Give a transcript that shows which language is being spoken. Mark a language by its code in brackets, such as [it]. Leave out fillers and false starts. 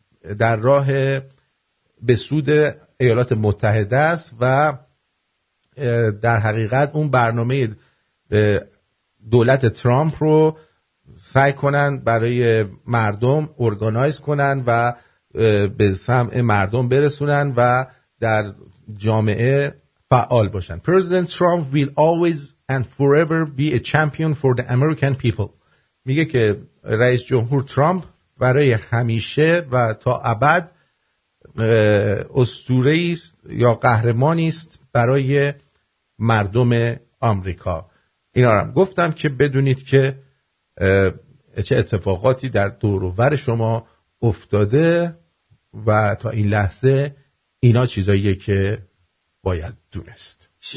[fa] در راه به سود ایالات متحده است و در حقیقت اون برنامه دولت ترامپ رو سعی کنن برای مردم ارگانایز کنن و به سمع مردم برسونن و در جامعه فعال باشن. [en] President Trump will always and forever be a champion for the American people. [fa] میگه که رئیس جمهور ترامپ برای همیشه و تا ابد اسطوره است یا قهرمانی است برای مردم آمریکا. اینا رو گفتم که بدونید که چه اتفاقاتی در دور و بر شما افتاده و تا این لحظه اینا چیزاییه که باید دونست.